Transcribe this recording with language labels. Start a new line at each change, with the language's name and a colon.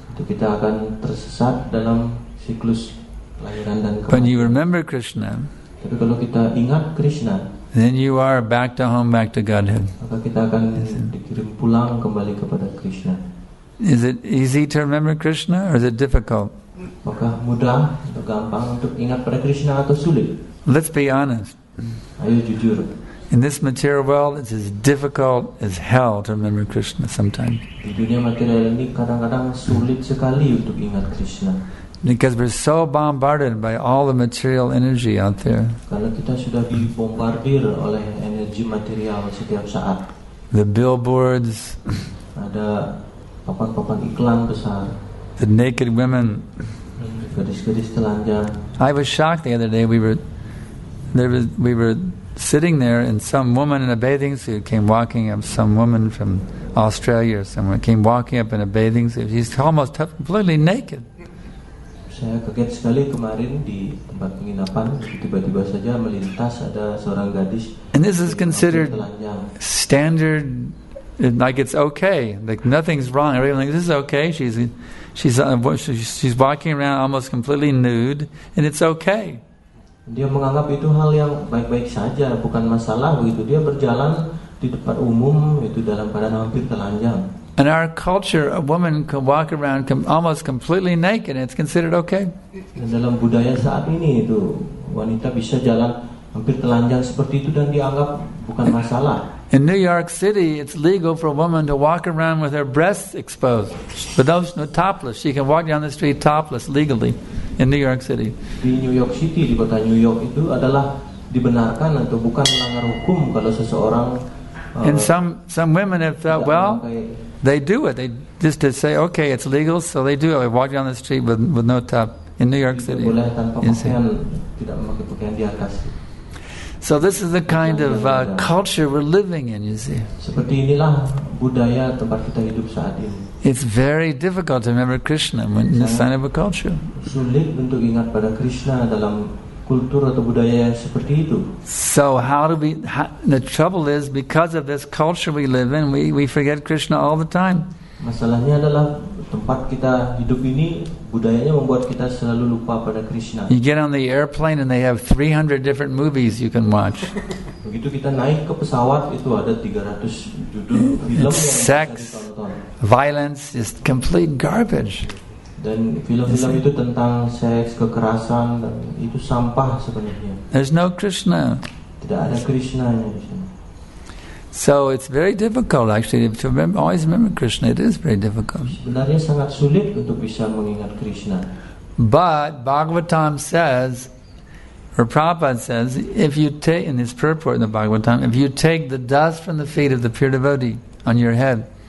Indonesian: Kita akan tersesat dalam siklus lahiran dan kematian.
English: When you remember Krishna,
Indonesian: tapi kalau kita ingat Krishna,
English: then you are back to home, back to Godhead.
Indonesian: Maka kita akan dikirim pulang kembali kepada Krishna.
English: Is it easy to remember Krishna or is it difficult?
Indonesian: Apakah mudah atau gampang untuk ingat pada Krishna atau sulit?
English: Let's be honest.
Indonesian: Ayo jujur.
English: In this material world, it's as difficult as hell to remember Krishna sometimes.
Indonesian: Di dunia material ini kadang-kadang sulit sekali untuk ingat Krishna.
English: Because we're so bombarded by all the material energy out there.
Indonesian: Karena kita sudah dibombardir oleh energi material setiap saat.
English: The billboards.
Indonesian: Ada papan-papan iklan besar.
English: The naked women.
Indonesian: Gadis-gadis telanjang.
English: I was shocked the other day. We were sitting there, and some woman in a bathing suit came walking up. Some woman from Australia or somewhere came walking up in a bathing suit. She's almost completely naked.
Indonesian: Saya kaget sekali kemarin di tempat penginapan, tiba-tiba saja melintas ada seorang gadis.
English: And this is considered standard, like it's okay, like nothing's wrong. Everyone's like, this is okay. She's walking around almost completely nude, and it's okay.
Indonesian: Dia menganggap itu hal yang baik-baik saja, bukan masalah begitu. Dia berjalan di tempat umum itu dalam keadaan hampir telanjang.
English: In our culture, a woman can walk around almost completely naked, it's considered okay.
Indonesian: Dan dalam budaya saat ini itu, wanita bisa jalan hampir telanjang seperti itu dan dianggap bukan masalah.
English: In New York City, it's legal for a woman to walk around with her breasts exposed. But those no topless, she can walk down the street topless legally in New York City.
Indonesian: Di New York City, di kota New York itu adalah dibenarkan atau bukan melanggar hukum kalau seseorang.
English: And some women have thought, well,
Indonesian: memakai,
English: they do it. They just to say, okay, it's legal, so they do it. They walk down the street with no top in New York City.
Indonesian: Tidak boleh tanpa pakaian, tidak memakai pakaian di atas.
English: So this is the kind of culture we're living in, you see.
Indonesian: Seperti inilah budaya tempat kita hidup saat ini.
English: It's very difficult to remember Krishna when in the sign of a culture.
Indonesian: Sulit untuk ingat pada Krishna dalam kultur atau budaya yang seperti itu.
English: So how do we? The trouble is because of this culture we live in, we forget Krishna all the time.
Indonesian: Masalahnya adalah tempat kita hidup ini budayanya membuat kita selalu lupa pada Krishna.
English: You get on the airplane and they have 300 different movies you can watch.
Indonesian: Begitu kita naik ke pesawat itu ada 300 judul film it's yang kita tonton.
English: Sex, violence, just complete garbage.
Indonesian: Dan film-film itu tentang seks, kekerasan dan itu sampah sebenarnya.
English: There's no Krishna.
Indonesian: Tidak ada Krishna di sana.
English: So it's very difficult actually to remember, always remember Krishna. It is very difficult.
Indonesian: Sebenarnya sangat sulit untuk bisa mengingat Krishna.
English: But Bhagavatam says, or Prabhupada says, if you take, in his purport in the Bhagavatam, if you take the dust from the feet of the pure devotee on your head.